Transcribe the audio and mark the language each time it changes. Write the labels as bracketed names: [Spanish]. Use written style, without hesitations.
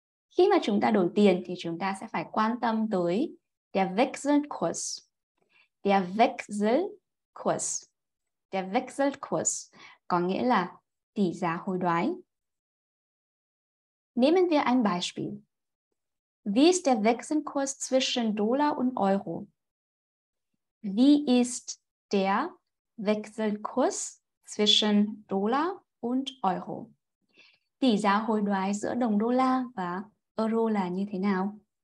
[Vietnamese] Khi mà chúng ta đổi tiền thì chúng ta sẽ phải quan tâm tới Der Wechselkurs có nghĩa là tỷ giá hối đoái. [German] Nehmen wir ein Beispiel. Wie ist der Wechselkurs zwischen Dollar und Euro? Wie ist der Wechselkurs zwischen Dollar und Euro? [Vietnamese] Tỷ giá hối đoái giữa đồng đô la và euro là như thế nào?